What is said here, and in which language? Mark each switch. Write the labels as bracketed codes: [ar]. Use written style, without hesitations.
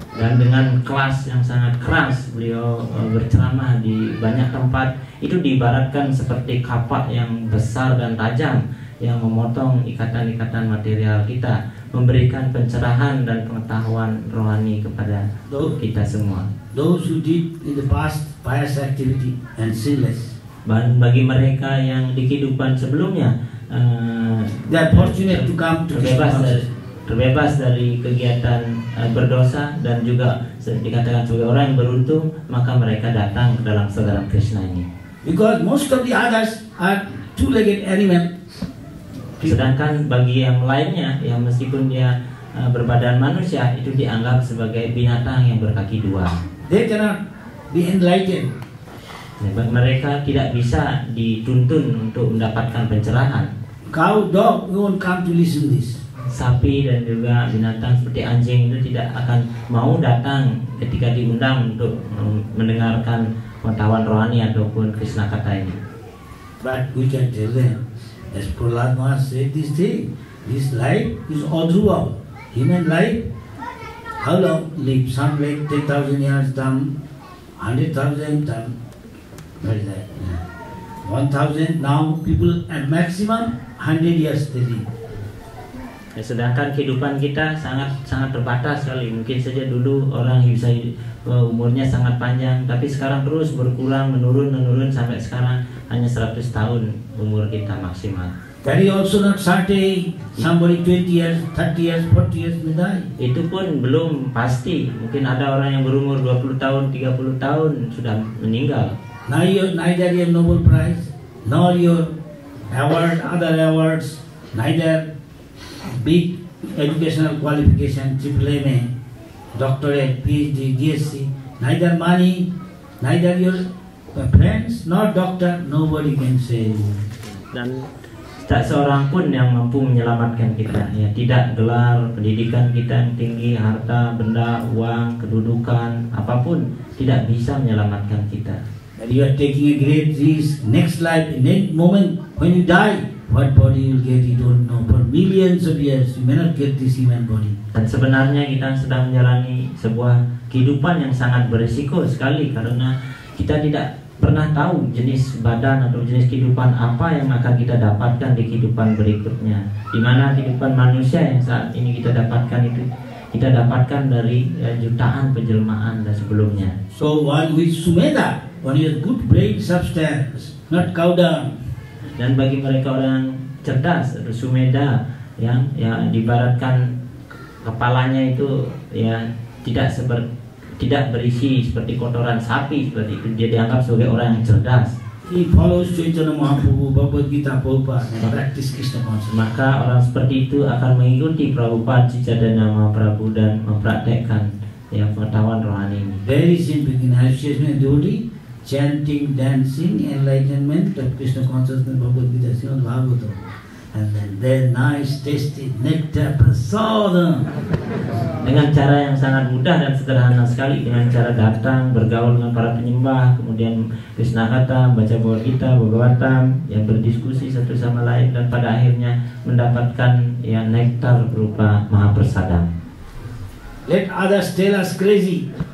[id] Dan dengan kelas yang sangat keras beliau berceramah di banyak tempat, itu diibaratkan seperti kapak yang besar dan tajam yang memotong ikatan-ikatan material kita, memberikan pencerahan dan pengetahuan rohani kepada kita semua. [en] Those who did in the past pious activity and sinless, [id] bagi mereka yang di kehidupan sebelumnya [en] they are fortunate to come to [id] terbebas dari kegiatan berdosa dan juga dikatakan sebagai orang yang beruntung, maka mereka datang ke dalam saudara Krishna ini. [en] Because most of the others are two-legged animal. [id] Sedangkan bagi yang lainnya, yang meskipun dia berbadan manusia, itu dianggap sebagai binatang yang berkaki dua. [en] They cannot be enlightened. [id] Bagi mereka tidak bisa dituntun untuk mendapatkan pencerahan. [en] Cow, dog, you won't come to listen this. [id] Sapi dan juga binatang seperti anjing itu tidak akan mau datang ketika diundang untuk mendengarkan pengetahuan rohani ataupun Krishna kata ini. [en] But we can tell them, as Prahlad Maharaj said this thing, this life is adhruva. Human life, how long live? Some like 10,000 years down, 100,000 down, what is that? 1,000, now people at maximum 100 years they live. [id] Ya, sedangkan kehidupan kita sangat sangat terbatas sekali. Mungkin saja dulu orang bisa umurnya sangat panjang, tapi sekarang terus berkurang, menurun sampai sekarang hanya 100 tahun umur kita maksimal. [en] Very also not certain, somebody 20 years, 30 years, 40 years will die. [id] Itu pun belum pasti. Mungkin ada orang yang berumur 20 tahun, 30 tahun sudah meninggal. [en] Neither your Nobel Prize, nor your award, other awards, neither big educational qualification, MA, doctorate, PhD, DSC, neither money, neither your friends, nor doctor, nobody can save. [id] Dan tak seorang pun yang mampu menyelamatkan kita. Ya, tidak gelar pendidikan kita yang tinggi, harta, benda, uang, kedudukan, apapun tidak bisa menyelamatkan kita. [en] But you are taking a great risk. Next life, next moment when you die, what body you'll get, you don't know. For millions of years, you may not get this human body. [id] Dan sebenarnya kita sedang menjalani sebuah kehidupan yang sangat berisiko sekali, karena kita tidak pernah tahu jenis badan atau jenis kehidupan apa yang akan kita dapatkan di kehidupan berikutnya. Di mana kehidupan manusia yang saat ini kita dapatkan itu, kita dapatkan dari jutaan penjelmaan dan sebelumnya. [en] So one with Sumedha, one with good brain substance, not cow dung. [id] Dan bagi mereka orang cerdas atau Sumedha yang dibaratkan kepalanya itu ya tidak seperti tidak berisi seperti kotoran sapi, seperti itu dia dianggap sebagai orang yang cerdas. [en] He follows Chaitanya Mahaprabhu, Bhagavad Gita, Prabhupada, and practice Krishna consciousness. [id] Maka orang seperti itu akan mengikuti Prabhupada, Chaitanya Mahaprabhu dan mempraktekkan yang pengetahuan rohani ini. [en] Very simple in association and duty, chanting, dancing, enlightenment of Krishna consciousness, Bhagavad Gita, Srimad Bhagavatam. And then their nice tasty nectar prasada. [id] Dengan cara yang sangat mudah dan sederhana sekali, dengan cara datang bergaul dengan para penyembah, kemudian Krishna kata baca Bhagavad Gita, Bhagavatam, yang berdiskusi satu sama lain, dan pada akhirnya mendapatkan yang nektar berupa mahaprasada. [en] Let others tell us crazy.